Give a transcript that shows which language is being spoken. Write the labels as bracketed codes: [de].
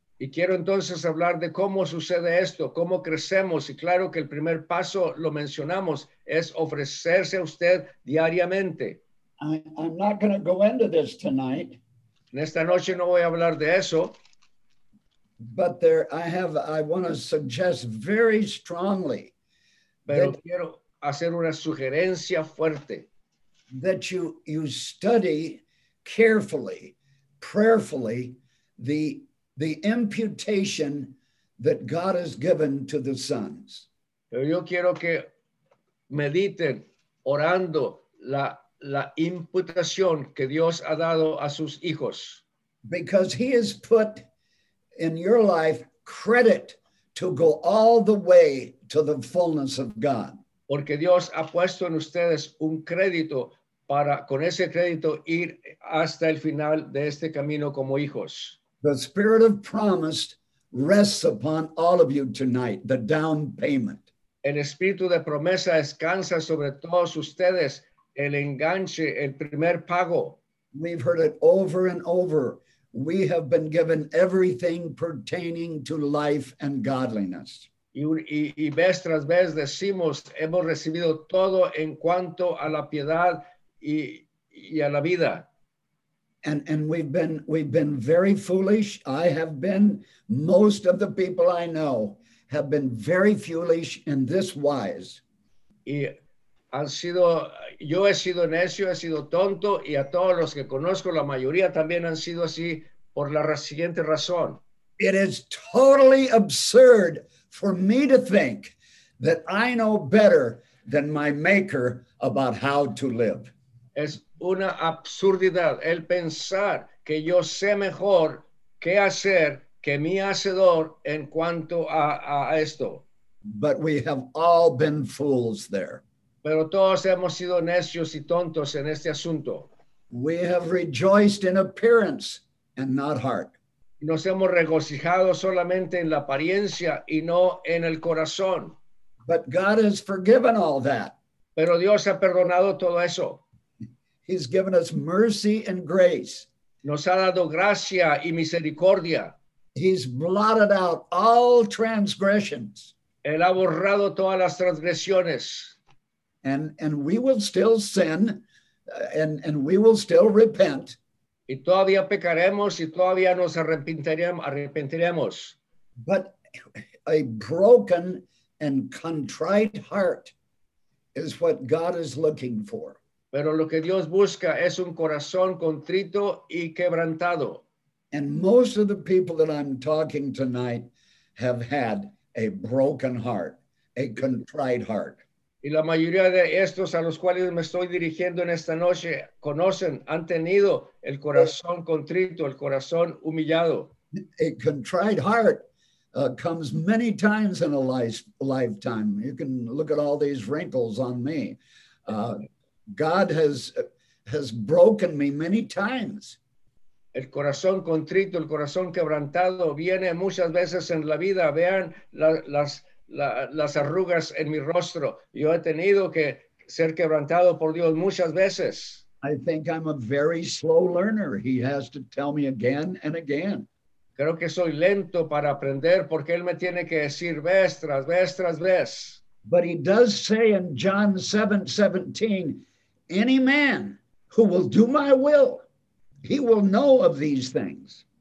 [es] Y quiero entonces hablar de cómo sucede esto, cómo crecemos. Y claro que el primer paso, lo mencionamos, es ofrecerse a usted diariamente. [en] I'm not going to go into this tonight. [es] En esta noche no voy a hablar de eso. [en] But there, I want to suggest very strongly. [es] Pero [en] that, [es] quiero hacer una sugerencia fuerte. [en] That you study carefully, prayerfully, the imputation that God has given to the sons. [es] Pero yo quiero que mediten orando la imputación que Dios ha dado a sus hijos. [en] Because he has put in your life credit to go all the way to the fullness of God. [es] Porque Dios ha puesto en ustedes un crédito para con ese crédito ir hasta el final de este camino como hijos. [en] The Spirit of promise rests upon all of you tonight, the down payment. [es] El Espíritu de promesa descansa sobre todos ustedes el enganche, el primer pago. [en] We've heard it over and over. We have been given everything pertaining to life and godliness. [es] Y vez tras vez decimos, hemos recibido todo en cuanto a la piedad y a la vida. [en] And we've been very foolish. I have been, most of the people I know have been very foolish in this wise. [es] Y han sido, yo he sido necio, he sido tonto, y a todos los que conozco, la mayoría también han sido así por la siguiente razón. [en] It is totally absurd for me to think that I know better than my maker about how to live. [es] Es una absurdidad el pensar que yo sé mejor qué hacer que mi hacedor en cuanto a esto. [en] But we have all been fools there. [es] Pero todos hemos sido necios y tontos en este asunto. [en] We have rejoiced in appearance and not heart. [es] Nos hemos regocijado solamente en la apariencia y no en el corazón. [en] But God has forgiven all that. [es] Pero Dios ha perdonado todo eso. [en] He's given us mercy and grace. [es] Nos ha dado gracia y misericordia. [en] He's blotted out all transgressions. [es] Él ha borrado todas las transgresiones. [en] And we will still sin, and we will still repent. [es] Y todavía pecaremos y todavía nos arrepentiremos. [en] But a broken and contrite heart is what God is looking for. [es] Pero lo que Dios busca es un corazón contrito y quebrantado. [en] And most of the people that I'm talking tonight have had a broken heart, a contrite heart. [es] Y la mayoría de estos a los cuales me estoy dirigiendo en esta noche conocen, han tenido el corazón contrito, el corazón humillado. [en] A contrite heart comes many times in a lifetime. You can look at all these wrinkles on me. God has broken me many times. [es] El corazón contrito, el corazón quebrantado viene muchas veces en la vida. Vean las arrugas en mi rostro. Yo he tenido que ser quebrantado por Dios muchas veces. [en] I think I'm a very slow learner. He has to tell me again and again. [es] Creo que soy lento para aprender porque él me tiene que decir vez tras vez tras vez. [en] But he does say in John 7:17, any man who will do my will, he will know of these things.